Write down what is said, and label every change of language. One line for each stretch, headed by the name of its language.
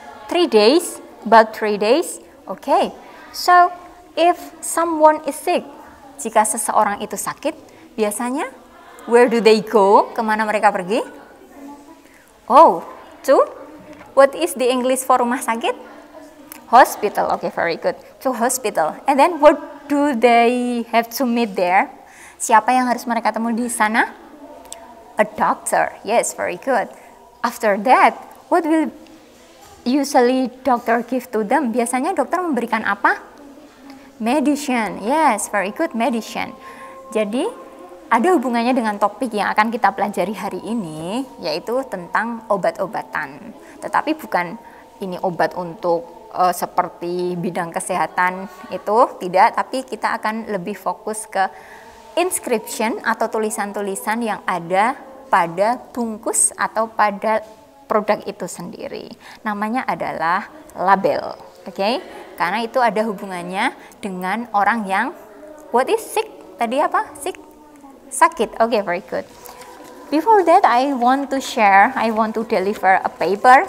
English: 3 days, about 3 days. Okay, so if someone is sick,
Indonesian: jika seseorang itu sakit, biasanya
English: where do they go?
Indonesian: Kemana mereka pergi?
English: Oh, to? What is the English for
Indonesian: rumah sakit?
English: Hospital. Okay, very good. To hospital. And then what do they have to meet there?
Indonesian: Siapa yang harus mereka temui di sana?
English: A doctor. Yes, very good. After that, what will usually doctor give to them?
Indonesian: Biasanya dokter memberikan apa? Medicine.
English: Yes, very good, medicine.
Indonesian: Jadi ada hubungannya dengan topik yang akan kita pelajari hari ini, yaitu tentang obat-obatan. Tetapi bukan ini obat untuk seperti bidang kesehatan itu, tidak. Tapi kita akan lebih fokus ke inscription atau tulisan-tulisan yang ada pada bungkus atau pada produk itu sendiri. Namanya adalah label, okay? Karena itu ada hubungannya dengan orang yang,
English: what is sick?
Indonesian: Tadi apa? Sick? Sakit.
English: Okay, very good. Before that, I want to deliver a paper.